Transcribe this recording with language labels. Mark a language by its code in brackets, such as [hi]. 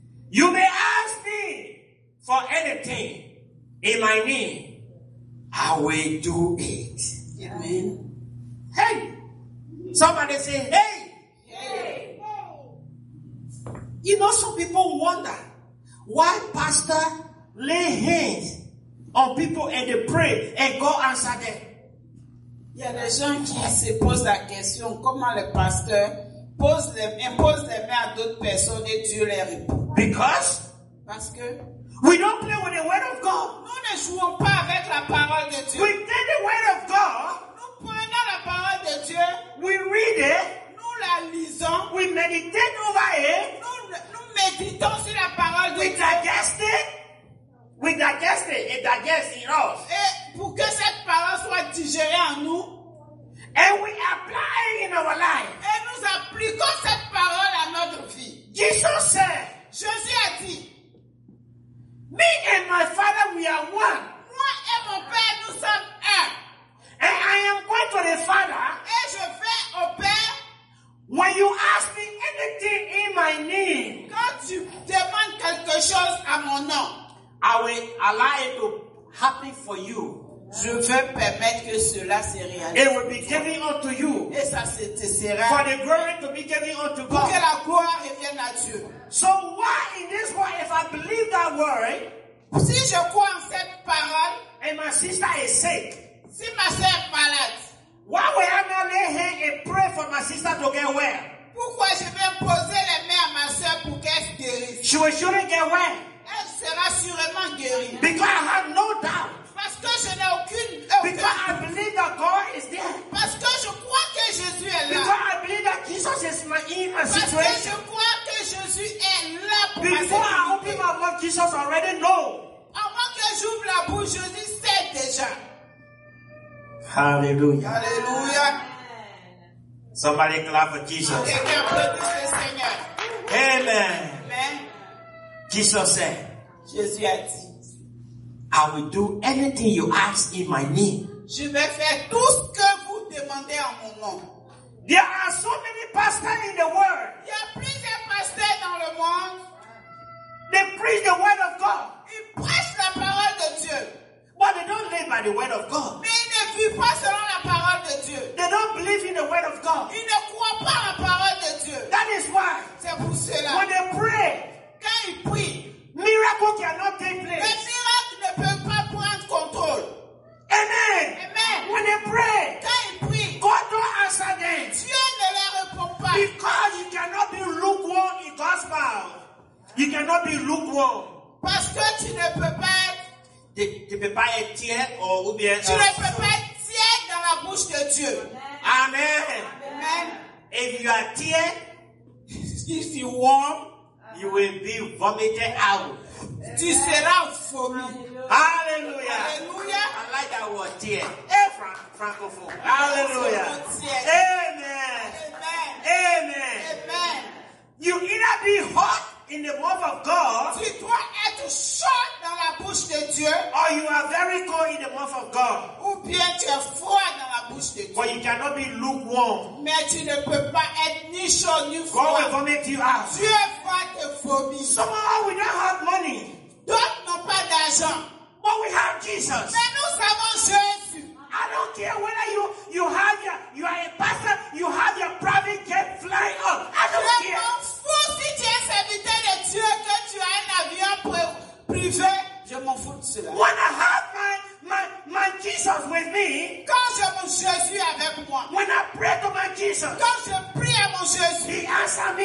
[en] You may ask me for anything in my name, I will do it. Amen. Hey! Somebody say, hey! Hey! You know, some people wonder why pastor lay hands on people and they pray and God answer them. [fr] Yeah, les gens qui se posent la question, comment le pasteur pose les impose les mains à d'autres personnes et Dieu les répond. [en] Because? [fr] Parce que [en] we don't play with the word of God. [fr] Nous ne jouons pas avec la parole de Dieu. [en] We take the word of God. [fr] Nous prenons la parole de Dieu. [en] We read it. [fr] Nous la lisons. [en] We meditate over it. [fr] Nous méditons sur la parole de [en] we [fr] Dieu. [en] We digest it. We digest it. It digests in us. [fr] Et pour que cette parole soit digérée en nous. [en] And we apply it in our life. [fr] Et nous appliquons cette parole à notre vie. [en] Jesus said. [fr] Jésus a dit. [en] Me and my Father, we are one. [fr] Moi et mon Père, nous sommes un. [en] And I am going to the Father. [fr] Et je vais au Père. [en] When you ask me anything in my name. [fr] Quand tu demandes quelque chose à mon nom. [en] I will allow it to happen for you. [fr] Je veux permettre que cela se réalise. [en] It will be given unto you. [fr] Et ça te sera. [en] For the glory to be given unto God. [fr] Pour que la gloire revienne à Dieu. [en] So why in this world, if I believe that word, [fr] si je crois en cette parole, [en] and my sister is sick, [fr] si ma sœur est malade, [en] why will I not lay hand and pray for my sister to get well? [fr] Pourquoi je vais poser les mains à ma sœur pour qu'elle se guérisse? [en] She will surely get well. [fr] Elle sera sûrement guérie. [en] Because I have no doubt. [fr] Parce que je n'ai aucune. [en] Because I believe that God is there. [fr] Parce que je crois que Jésus est là. [en] Because I believe that Jesus is my, in my [fr] parce [en] situation. [fr] Parce que je crois que Jésus est là pour [en] before I open my mouth, Jesus already knows. [fr] Avant que j'ouvre la bouche, Jésus sait déjà. [en] Hallelujah. Hallelujah. Somebody clap for Jesus. Amen. Amen. Amen. Jesus said. [fr] Jésus a dit. [en] I will do anything you ask in my name. [fr] Je vais faire tout ce que vous demandez en mon nom. [en] There are so many pastors in the world. [fr] Il y a plusieurs pasteurs dans le monde. [en] They preach the word of God. [fr] Ils prêchent la parole de Dieu. [en] But they don't live by the word of God. [fr] Mais ils ne vivent pas selon la parole de Dieu. [en] They don't believe in the word of God. [fr] Ils ne croient pas la parole de Dieu. [en] That is why. [fr] C'est pour cela. [en] When they pray. [fr] Quand ils prient. [en] Miracle cannot take place. [fr] Les miracles ne peuvent pas prendre contrôle. [en] Amen. Amen. When they pray, [fr] quand ils prient, [en] God don't answer them. [fr] Dieu ne leur répond pas. [en] Because you cannot be lukewarm in God's mouth. You cannot be lukewarm. [fr] Parce que tu ne peux pas être. Tu ne peux pas être tiède ou bien. Tu ne peux pas être tiède dans la bouche de Dieu. [en] Amen. Amen. If you are tiède, if you warm. You will be vomited out. [fr] Tu seras vomi. [en] Hallelujah. Hallelujah. I like that word, tear. Francophone. Hallelujah. Amen. Amen. Amen. Amen. You either be hot in the mouth of God. [fr] Tu dois être chaud dans la bouche de Dieu. [en] Or you are very cold in the mouth of God. [fr] Ou bien tu es froid dans la bouche de Dieu. [en] But you cannot be lukewarm. [fr] Mais tu ne peux pas être ni chaud ni froid. [en] God will vomit you out. [fr] Dieu va te vomir. [en] Somehow we don't have money. [fr] D'autres n'ont pas d'argent. [en] But Jesus. [fr] Mais nous savons Jésus. [en] I don't care whether you have your you are a pastor, you have your private jet flying up. I don't care. [fr] Je m'en fous si tu es serviteur de Dieu que tu as un avion privé. Je m'en fous de cela. [en] When I have my Jesus with me, [fr] quand j'ai mon Jésus avec moi, when I pray to my Jesus, quand je prie à mon Jésus, [en] He answers me.